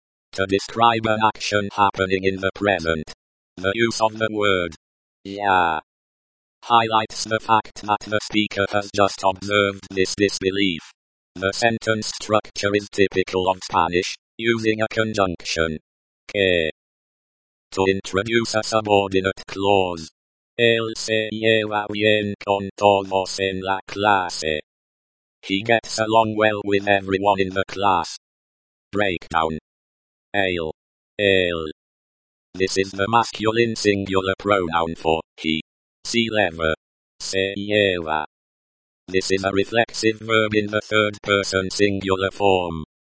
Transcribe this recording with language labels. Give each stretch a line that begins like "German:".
English: to describe an action happening in the present. The use of the word,
Spanish: ya,
English: highlights the fact that the speaker has just observed this disbelief. The sentence structure is typical of Spanish, using a conjunction,
Spanish: que,
English: to introduce a subordinate clause.
Spanish: Él se lleva bien con todos en la clase.
English: He gets along well with everyone in the class. Breakdown.
Spanish: Él.
English: Él. This is the masculine singular pronoun for he. Se lleva.
Spanish: Se lleva.
English: This is a reflexive verb in the third person singular form.